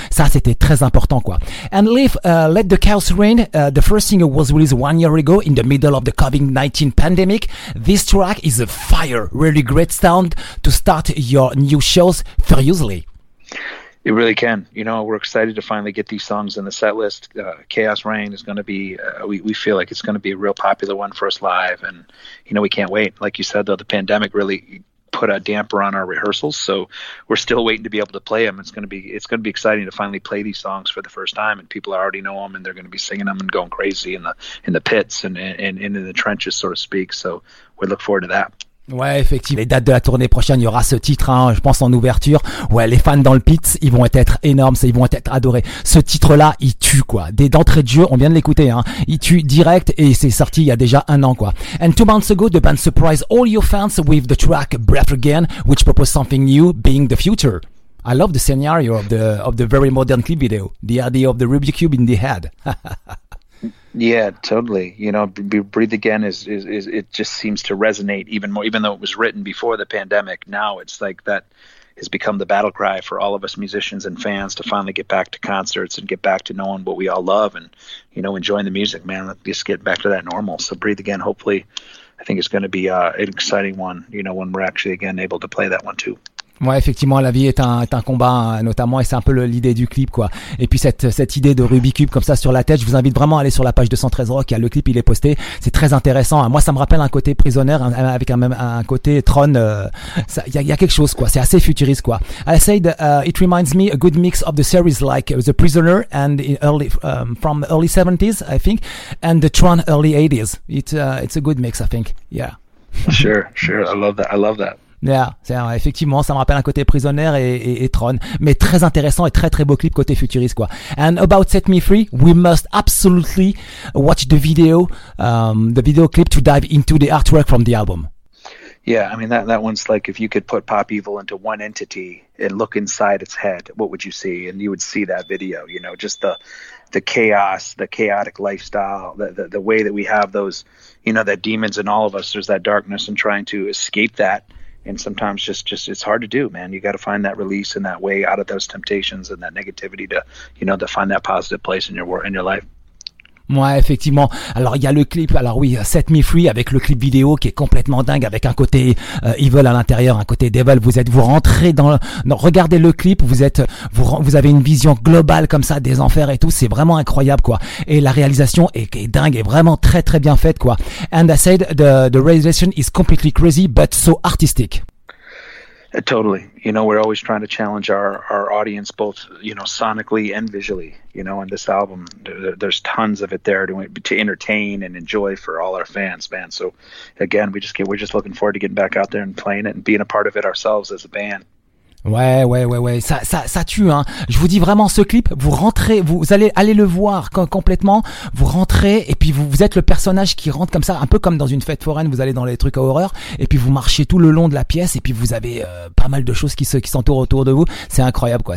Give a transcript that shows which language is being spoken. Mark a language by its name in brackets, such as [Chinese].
[French] Ça, c'était très important, quoi. [English] And Leif, Let the Chaos Reign, the first single was released 1 year ago in the middle of the COVID-19 pandemic. This track is a fire, really great sound to start your new shows furiously. It really can. You know, we're excited to finally get these songs in the set list. Chaos Reign is going to be, we feel like it's going to be a real popular one for us live. And, you know, we can't wait. Like you said, though, the pandemic really put a damper on our rehearsals. So we're still waiting to be able to play them. It's going to be exciting to finally play these songs for the first time, and people already know them, and they're going to be singing them and going crazy in the pits and in the trenches, so to speak. So we look forward to that. [French] Ouais, effectivement. Les dates de la tournée prochaine, il y aura ce titre, hein, je pense, en ouverture. Ouais, les fans dans le pit, ils vont être énormes, ils vont être adorés. Ce titre-là, il tue, quoi. Dès d'entrée de jeu, on vient de l'écouter, hein. Il tue direct et c'est sorti il y a déjà un an, quoi. [English] And 2 months ago, the band surprised all your fans with the track Breath Again, which proposed something new, being the future. I love the scenario of the very modern clip video. The idea of the Rubik's Cube in the head. Yeah, totally. You know, Breathe Again is it just seems to resonate even more, even though it was written before the pandemic. Now it's like that has become the battle cry for all of us musicians and fans to finally get back to concerts and get back to knowing what we all love and, you know, enjoying the music, man. Let's just get back to that normal. So Breathe Again, hopefully, I think it's going to be an exciting one, you know, when we're actually again able to play that one too. [French] Ouais, effectivement, la vie est un combat, hein, notamment, et c'est un peu l'idée du clip, quoi. Et puis cette idée de Rubik's Cube comme ça sur la tête, je vous invite vraiment à aller sur la page 213 Rock, il y a le clip, il est posté. C'est très intéressant. Hein. Moi, ça me rappelle un côté Prisoner avec un côté Tron. Il y a quelque chose, quoi. C'est assez futuriste, quoi. [English] I said it reminds me a good mix of the series like The Prisoner and in early from early 70s, I think, and the Tron early 80s. It's a good mix, I think. Yeah. Sure. I love that. [French] Yeah, c'est un, effectivement, ça me rappelle un côté Prisoner et Tron, mais très intéressant et très très beau clip côté futuriste, quoi. [English] And about Set Me Free, we must absolutely watch the video clip to dive into the artwork from the album. Yeah, I mean that one's like if you could put Pop Evil into one entity and look inside its head, what would you see? And you would see that video, you know, just the chaos, the chaotic lifestyle, the way that we have those, you know, that demons in all of us, there's that darkness and trying to escape that. And sometimes just it's hard to do, man. You got to find that release and that way out of those temptations and that negativity to, you know, to find that positive place in your life. [French] Ouais, effectivement. Alors, il y a le clip. Alors oui, Set Me Free avec le clip vidéo qui est complètement dingue avec un côté evil à l'intérieur, un côté devil. Regardez le clip. Vous avez une vision globale comme ça des enfers et tout. C'est vraiment incroyable, quoi. Et la réalisation est dingue, est vraiment très, très bien faite, quoi. [English] And I said the realization is completely crazy, but so artistic. Totally. You know, we're always trying to challenge our audience, both, you know, sonically and visually, you know, on this album. There's tons of it there to entertain and enjoy for all our fans, man. So, again, we're just looking forward to getting back out there and playing it and being a part of it ourselves as a band. [French] Ouais, ça tue, hein. Je vous dis vraiment, ce clip, vous allez le voir complètement, vous rentrez et puis vous êtes le personnage qui rentre comme ça, un peu comme dans une fête foraine, vous allez dans les trucs à horreur et puis vous marchez tout le long de la pièce et puis vous avez pas mal de choses qui s'entourent autour de vous. C'est incroyable, quoi.